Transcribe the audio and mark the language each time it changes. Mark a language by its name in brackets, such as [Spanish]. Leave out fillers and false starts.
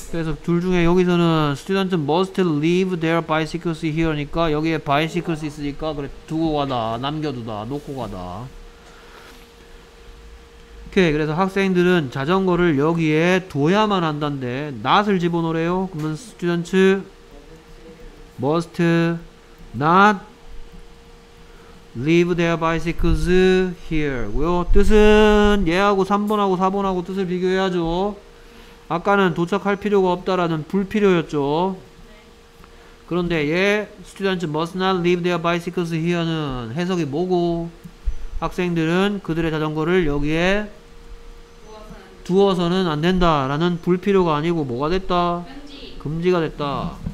[Korean] 그래서 둘 중에 여기서는 [English] student must leave their bicycles here [Korean] 니까 여기에 bicycles 있으니까 그래 두고 가다, 남겨두다, 놓고 가다. 오케이. 그래서 학생들은 자전거를 여기에 둬야만 한단데 not을 집어넣으래요. 그러면 [English] student must not leave their bicycles here고요. [Korean] 뜻은 얘하고 3번하고 4번하고 뜻을 비교해야죠. 아까는 도착할 필요가 없다라는 불필요였죠. 그런데 얘 [English] students must not leave their bicycles here [Korean] 는 해석이 뭐고 학생들은 그들의 자전거를 여기에 두어서는 안 된다라는 불필요가 아니고 뭐가 됐다? 금지가 됐다.